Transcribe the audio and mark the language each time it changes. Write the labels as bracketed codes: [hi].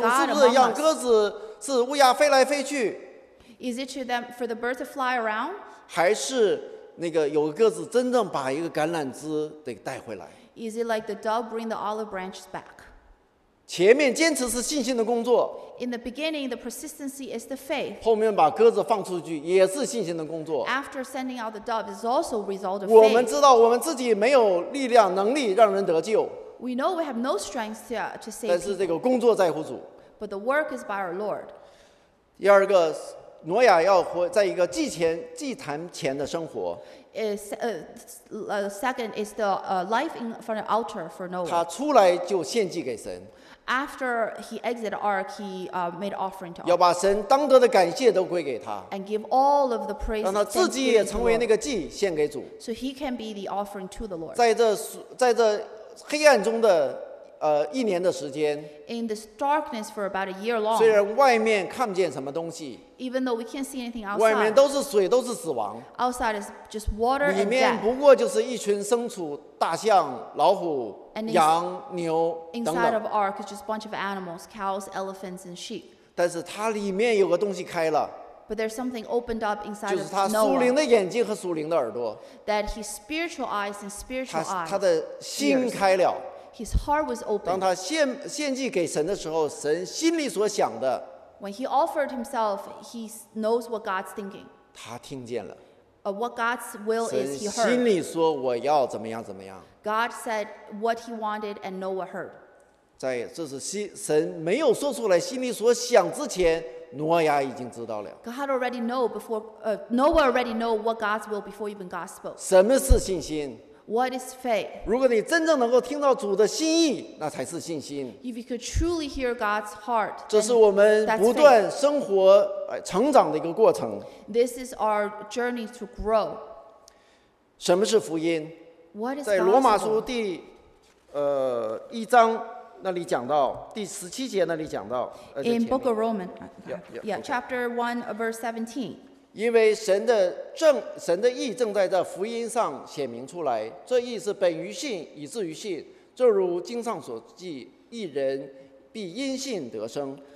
[zh] 看看主是不是让鸽子是乌鸦飞来飞去。 [en] Is it to them for the birds to fly around? [zh] 还是那个有鸽子真正把一个橄榄枝得带回来。 [en] Is it like the dove bring the olive branches back? [zh] 前面坚持是信心的工作。 [en] In the beginning, the persistency is the faith. [zh] 后面把鸽子放出去也是信心的工作。 [en] After sending out the dove is also a result of faith. [zh] 我们知道我们自己没有力量能力让人得救。 [en] We know we have no strength to save people. [zh] 但是这个工作在乎主。 [en] But the work is by our Lord. [zh] 第二个，挪亚要活在一个祭坛前的生活。 [en] Second is the life in front of the altar for Noah. [zh] 他出来就献祭给神。 [en] After he exited the ark, he made offering to. [zh] 要把神当得的感谢都归给他。 [en] And give all of the praise. [zh] 让他自己也成为那个祭献给主。 [en] So he can be the offering to the Lord. [zh] 在这黑暗中的一年的时间。 [en] In this darkness for about a year long. [zh] 虽然外面看不见什么东西。 [en] Even though we can't see anything outside. [zh] 外面都是水，都是死亡。 [en] Outside is just water and death. [zh] 里面不过就是一群牲畜，大象、老虎。羊牛等等。 [en] Inside of ark is just a bunch of animals, cows, elephants, and sheep. [zh] 但是它里面有个东西开了。 [en] But there's something opened up inside of Noah. [zh] 就是他属灵的眼睛和属灵的耳朵。 [en] That his spiritual eyes and spiritual eyes. [zh] 他的心开了。 [en] His heart was opened. [zh] 当他献祭给神的时候，神心里所想的。 [en] When he offered himself, he knows what God's thinking. [zh] 他听见了。 [en] What God's will is he heard. [zh] 神心里说我要怎么样怎么样。 [en] God said what he wanted and Noah heard. [zh] 在这是神没有说出来心里所想之前，挪亚已经知道了。 [en] God already know before, Noah already know what God's will before even God spoke. [zh] 什么是信心？ [en] What is faith? [zh] 如果你真正能够听到主的心意，那才是信心。 [en] If you could truly hear God's heart, then that's faith. [zh] 这是我们不断生活成长的一个过程。 [en] This is our journey to grow. [zh] 什么是福音？ [en] What is [zh] 在罗马书第一章那里讲到，第十七节那里讲到。 [en] In Book of Romans, chapter 1, verse 17. [zh] 因为神的义正在这福音上显明出来，这义是本于信，以至于信，正如经上所记，义人必因信得生。